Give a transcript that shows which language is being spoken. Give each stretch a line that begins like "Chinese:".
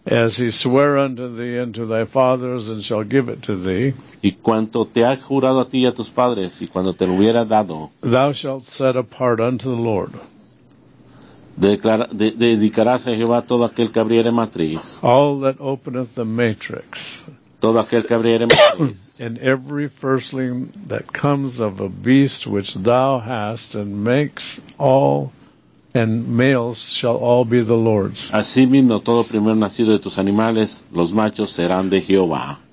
English: As he swear unto thee and to thy fathers and shall give it to thee.
Spanish: Y cuanto te ha jurado a ti y a tus padres y cuando te lo hubiera dado.
English: Thou shalt set apart unto the Lord.
Spanish: Dedicarás a Jehová todo aquel que abriere matriz.
English: All that openeth the matrix.
Spanish: Todo aquel que abriere matriz.
English: And every firstling that comes of a beast which thou hast and makes all and males shall all be the Lord's.
Spanish: Así mismo, todo primer nacido de tus animales, los machos serán de Jehová.